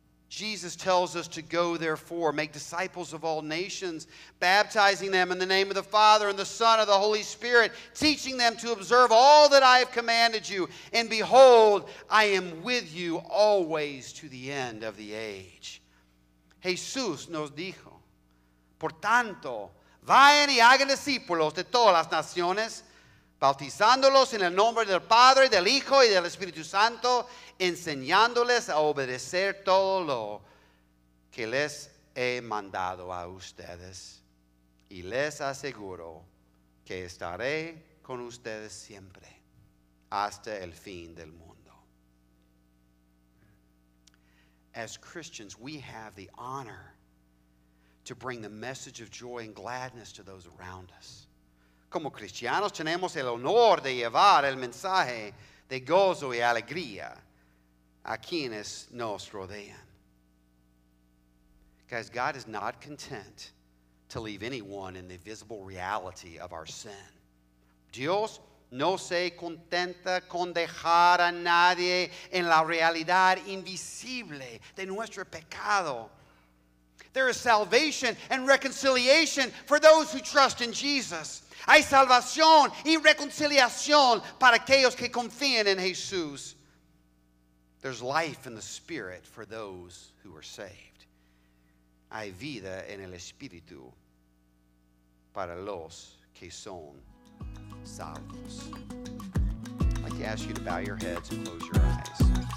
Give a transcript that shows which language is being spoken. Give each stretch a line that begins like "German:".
English: Jesus tells us to go, therefore, make disciples of all nations, baptizing them in the name of the Father and the Son and the Holy Spirit, teaching them to observe all that I have commanded you. And behold, I am with you always to the end of the age.
Spanish: Jesús nos dijo, por tanto, vayan y hagan discípulos de todas las naciones, bautizándolos en el nombre del Padre, del Hijo y del Espíritu Santo, enseñándoles a obedecer todo lo que les he mandado a ustedes. Y les aseguro que estaré con ustedes siempre, hasta el fin del mundo.
English: As Christians, we have the honor to bring the message of joy and gladness to those around us.
Spanish: Como cristianos tenemos el honor de llevar el mensaje de gozo y alegría a quienes nos rodean.
English: Guys, God is not content to leave anyone in the visible reality of our sin.
Spanish: Dios no se contenta con dejar a nadie en la realidad invisible de nuestro pecado.
English: There is salvation and reconciliation for those who trust in Jesus.
Spanish: Hay salvación y reconciliación para aquellos que confían en Jesús.
English: There's life in the Spirit for those who are saved.
Spanish: Hay vida en el Espíritu para los que son salvos.
English: I'd like to ask you to bow your heads and close your eyes.